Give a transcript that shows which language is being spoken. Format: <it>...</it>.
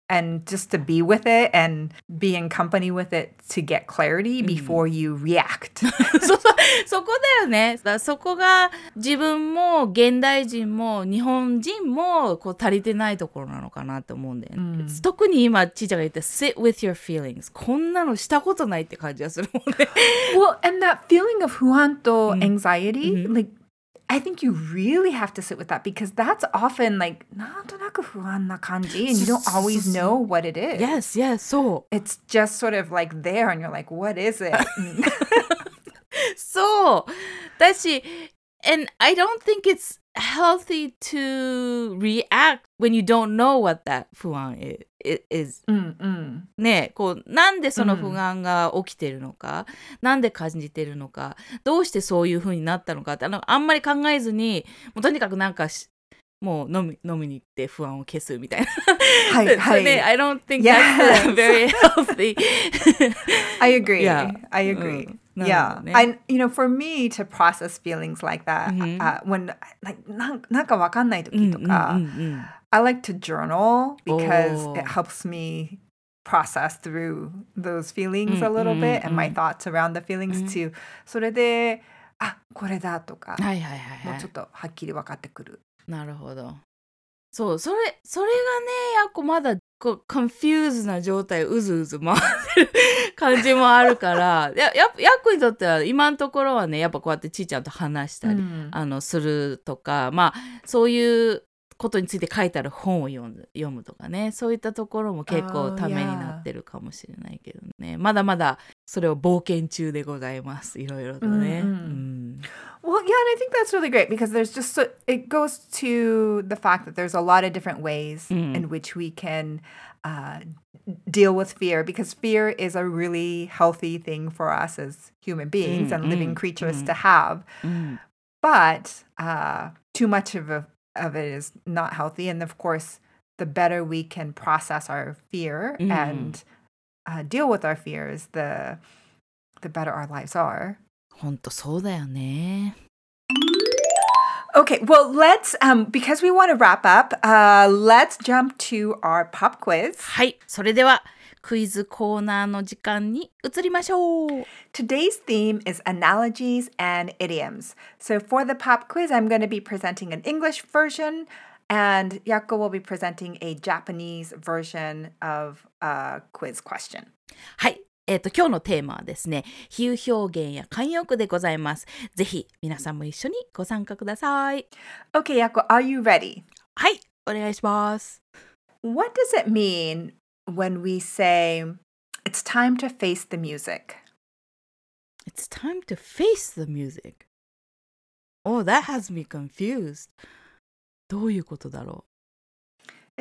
<en>and just to be with it and be in company with it to get clarity before you react.</en> <ja>そこだよね。そこが自分も現代人も日本人もこう足りてないところなのかなと思うんだよね。うん、特に今ちーちゃんが言った</ja> <en>sit with your feelings</en> <ja>こんなのしたことないって感じがするもんね。</ja> <en>Well, and that feeling of</en> <ja>不安と</ja> <en>anxiety、うん、like,I think you really have to sit with that because that's often like,</en> <ja>なんとなく不安な感じ</ja> <en>and you don't always know what it is. Yes, yes, so. It's just sort of like there and you're like, what is it?</en> <ja>そう。だし、</ja> <en>and I don't think it's healthy to react when you don't know what that 不安 is.</en> <ja>ね、こう、なんでその不安が起きてるのか、なんで感じてるのか、どうしてそういう風になったのかって、あんまり考えずに、もうとにかくなんかし、もう飲みに行って不安を消すみたいな。はいはい。ね、</ja> <en>I don't think that's very healthy. I agree. Yeah. I agree.、うんYeah, I, you know, for me to process feelings like that, when, like,</en> <ja>なんかわかんない時とか,</ja> <en>I like to journal because it helps me process through those feelings a little bit and my thoughts around the feelings too.</en> <ja>それで、あ、これだとか、はいはいはいはい、もうちょっとはっきりわかってくる。なるほど。そう、それがね、やっこまだこう、</ja> <en>confused</en> <ja>な状態、うずうず回ってる感じもあるから、やっこにとっては、今のところはね、やっぱこうやってちーちゃんと話したり、うん、するとか、まあ、そういうことについて書いてある本を読むとかね、そういったところも結構ためになってるかもしれないけどね。</ja> <en>Oh, yeah.</en> <ja>まだまだ、それを冒険中でございます、いろいろとね。</ja> <en>Mm-hmm.</en> <ja>うん</ja> <en>Well, yeah, and I think that's really great because there's just, so, it goes to the fact that there's a lot of different ways in which we can deal with fear because fear is a really healthy thing for us as human beings and living creatures to have. But too much of it is not healthy. And of course, the better we can process our fear and deal with our fears, the better our lives are.</en> <ja>本当そうだよね。</ja> <en>Okay, well, let's, because we want to wrap up, let's jump to our pop quiz.</en> <ja>はい、それではクイズコーナーの時間に移りましょう。</ja> <en>Today's theme is analogies and idioms. So for the pop quiz, I'm going to be presenting an English version, and Yakko will be presenting a Japanese version of a quiz question.</en> <ja>はい。今日のテーマはですね、比喩表現や慣用句でございます。ぜひ皆さんも一緒にご参加ください。</ja> <en>Okay, Yakko, are you ready?</en> <ja>はい、お願いします。</ja> <en>What does it mean when we say, it's time to face the music? It's time to face the music? Oh, that has me confused.</en> <ja>どういうことだろう?</ja>